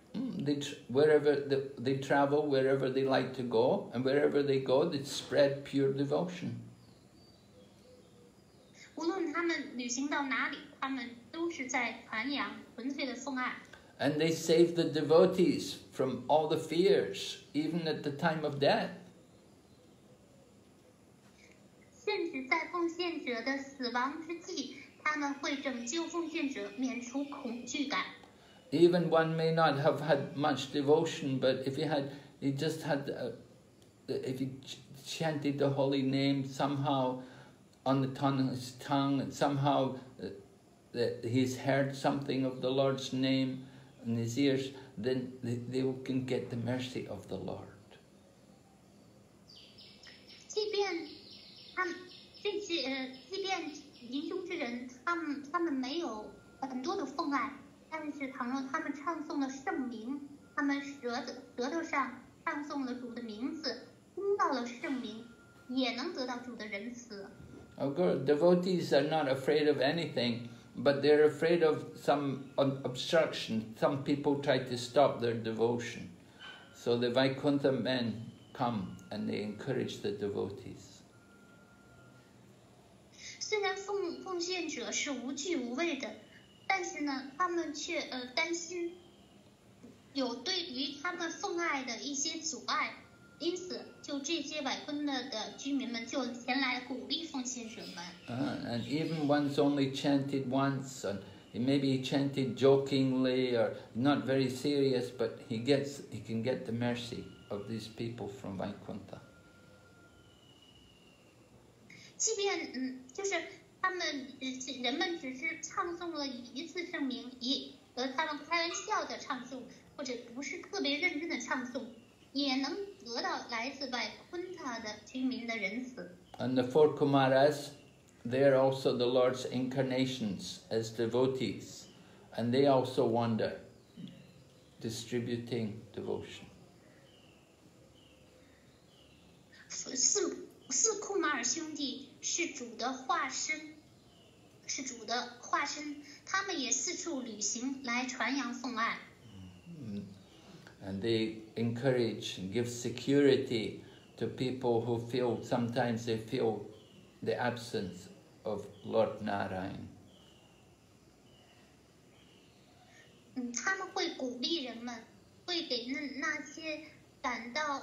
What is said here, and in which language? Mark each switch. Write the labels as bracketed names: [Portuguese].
[English] They travel wherever they like to go, and wherever they go, they spread pure devotion. [Chinese] 无论他们旅行到哪里，他们都是在传扬纯粹的奉爱。 [English] And they save the devotees from all the fears, even at the time of death. [Chinese] 甚至在奉献者的死亡之际，他们会拯救奉献者免除恐惧感。 [English] Even one may not have had much devotion, but if he chanted the holy name somehow on the tongue of his tongue, and somehow he's heard something of the Lord's name in his ears, then they can get the mercy of the Lord. [Chinese] 即便他们这些，即便灵修之人，他们没有很多的奉爱。但是倘若他们唱诵了圣名，他们舌头上唱诵了主的名字，听到了圣名，也能得到主的仁慈。 [English] Of course, devotees are not afraid of anything, but they're afraid of some obstruction. Some people try to stop their devotion. So the Vaikuntha men come and they encourage the devotees. [Chinese] 虽然奉献者是无惧无畏的。但是呢，他们却担心有对于他们奉爱的一些阻碍，因此就这些百昆特的居民们就前来鼓励奉献者们。 [English] And even one's only chanted once, and maybe he chanted jokingly or not very serious, but he can get the mercy of these people from Vaikuntha. [Chinese] 即便就是。他们人们只是唱诵了一次圣名，他们开玩笑的唱诵，或者不是特别认真的唱诵，也能得到来自Vaikuntha的居民的仁慈。 [English] And the four Kumaras, they are also the Lord's incarnations as devotees, and they also wander, distributing devotion. [Chinese] 四库马尔兄弟是主的化身，是主的化身。他们也四处旅行来传扬奉爱。 [English] And they encourage and give security to people who feel sometimes they feel the absence of Lord Narayan. [Chinese] 他们会鼓励人们，会给那些感到。